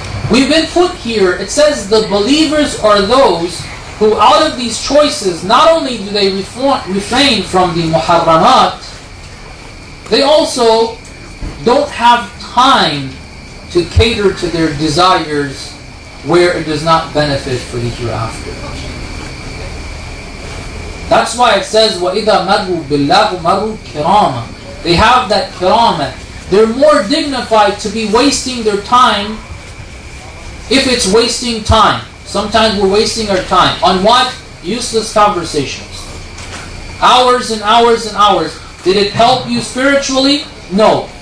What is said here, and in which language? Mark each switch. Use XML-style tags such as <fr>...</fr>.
<en>We've been put here, it says the believers are those who out of these choices, not only do they refrain from the muharramat, they also don't have time to cater to their desires where it does not benefit for the hereafter. That's why it says,</en> <ar>وَإِذَا مَرُّوا بِاللَّهُ مَرُّوا كِرَامًا.</ar> <en>They have that kirama. They're more dignified to be wasting their time if it's wasting time. Sometimes we're wasting our time. On what? Useless conversations. Hours and hours and hours. Did it help you spiritually? No.</en>